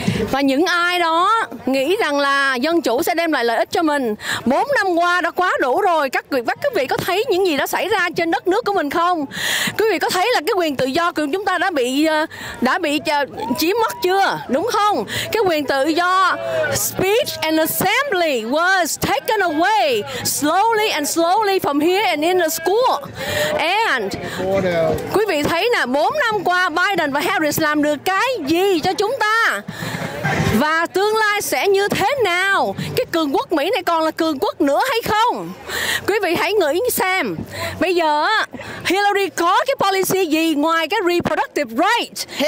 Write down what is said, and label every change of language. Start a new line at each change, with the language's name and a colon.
Vietnamese: Và những ai đó nghĩ rằng là dân chủ sẽ đem lại lợi ích cho mình, 4 năm qua đã quá đủ rồi. Các quý vị có thấy những gì đã xảy ra trên đất nước của mình không? Quý vị có thấy là cái quyền tự do của chúng ta đã bị chiếm mất chưa? Đúng không? Cái quyền tự do
English: speech and assembly was taken away slowly and slowly from here and in the school.
Vietnamese: And quý vị thấy nè, 4 năm qua Biden và Harris làm được cái gì cho chúng ta? Và tương lai sẽ như thế nào? Cái cường quốc Mỹ này còn là cường quốc nữa hay không? Quý vị hãy nghĩ xem. Bây giờ Hillary có cái policy gì ngoài cái
English: reproductive right?